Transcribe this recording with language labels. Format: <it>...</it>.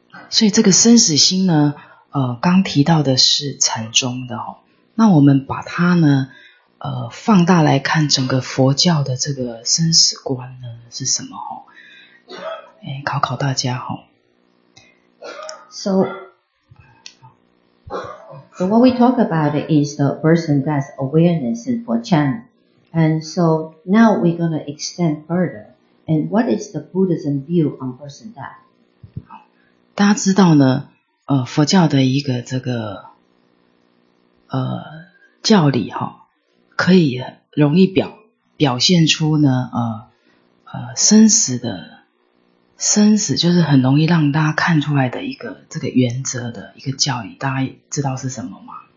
<zh>所以这个生死心呢，刚提到的是禅宗的哦。那我们把它呢，放大来看整个佛教的这个生死观呢是什么哦？考考大家哦。</zh> <en>So, so what we talk about is the birth and death awareness in Po Chan. And so now we're going to extend further. And what is the Buddhism view on birth and death?</en> <zh>大家知道呢，佛教的一个这个教理哈、哦，可以容易表现出呢，生死就是很容易让大家看出来的一个这个原则的一个教理，大家知道是什么吗？</zh>